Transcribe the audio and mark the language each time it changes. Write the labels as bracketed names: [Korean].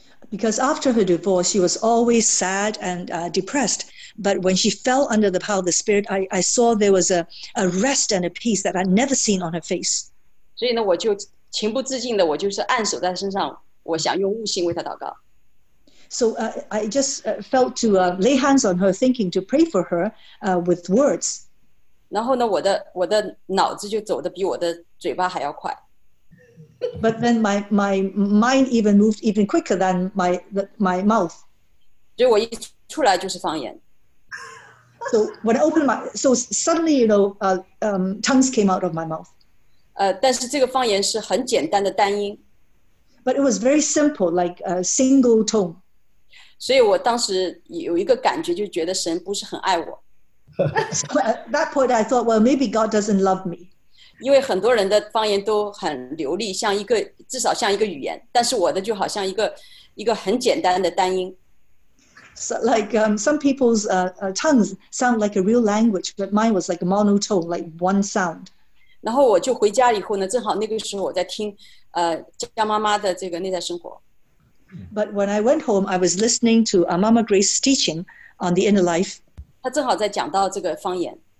[English] Because after her divorce, she was always sad and depressed. But when she fell under the power of the Spirit, I saw there was a rest and a peace that I'd never seen on her face. [Chinese] 所以呢，我就情不自禁的，我就是按手在身上，我想用悟性为他祷告。 [English] So I just felt to lay hands on her, thinking to pray for her with words. [Chinese] 然后呢，我的脑子就走得比我的嘴巴还要快。 [English] But then my mind even moved even quicker than my mouth. [Chinese] 所以我一出来就是方言。 [English] So when I opened my, so suddenly you know, tongues came out of my mouth. [Chinese] 但是这个方言是很简单的单音。 [English] But it was very simple, like a single tone. [Chinese] 所以我当时有一个感觉就觉得神不是很爱我。 [English] So at that point, I thought, well, maybe God doesn't love me. [Chinese] 因为很多人的方言都很流利，像一个，至少像一个语言，但是我的就好像一个很简单的单音。 [English] So, like some people's tongues sound like a real language, but mine was like a monotone, like one sound. [Chinese] 然后我就回家以后呢，正好那个时候我在听，江妈妈的这个内在生活。 [English] But when I went home, I was listening to Mama Grace's teaching on the inner life. [Chinese] 她正好在讲到这个方言。